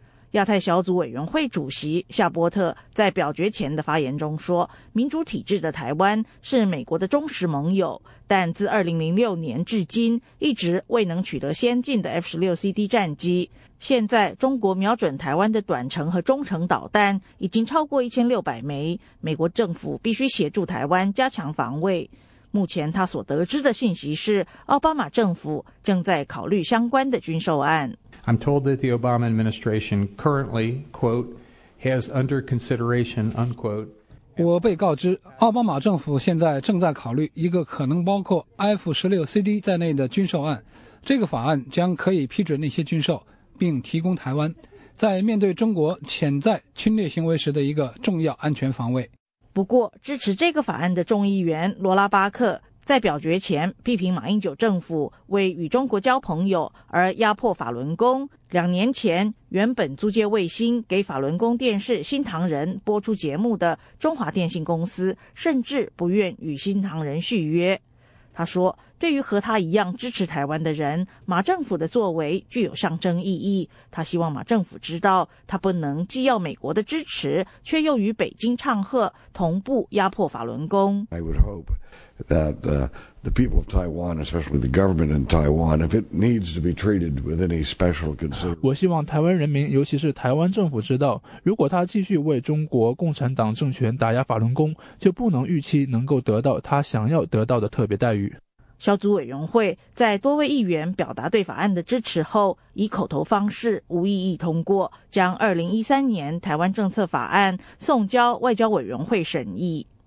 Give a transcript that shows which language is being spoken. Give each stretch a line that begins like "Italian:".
Chinese: 亚太小组委员会主席夏波特在表决前的发言中说，民主体制的台湾是美国的忠实盟友，但自2006年至今一直未能取得先进的 F-16 CD 战机。现在中国瞄准台湾的短程和中程导弹已经超过1600枚，美国政府必须协助台湾加强防卫。目前他所得知的信息是，奥巴马政府正在考虑相关的军售案。
English: I'm told that the Obama administration currently, quote, has under consideration, unquote.
Chinese: 我被告知，奥巴马政府现在正在考虑一个可能包括 F-16CD 在内的军售案。这个法案将可以批准那些军售，并提供台湾在面对中国潜在侵略行为时的一个重要安全防卫。不过，支持这个法案的众议员罗拉巴克在表决前批评马英九政府为与中国交朋友而压迫法轮功，两年前原本租借卫星给法轮功电视新唐人播出节目的中华电信公司甚至不愿与新唐人续约。他说，对于和他一样支持台湾的人，马政府的作为具有象征意义，他希望马政府知道他不能既要美国的支持却又与北京唱和同步压迫法轮功。
English: I would hope. That the people of Taiwan, especially the government in Taiwan, if it needs to be treated with any special concern,
Chinese: 我希望台湾人民，尤其是台湾政府知道，如果他继续为中国共产党政权打压法轮功，就不能预期能够得到他想要得到的特别待遇。小组委员会在多位议员表达对法案的支持后，以口头方式无异议通过，将2013年台湾政策法案送交外交委员会审议。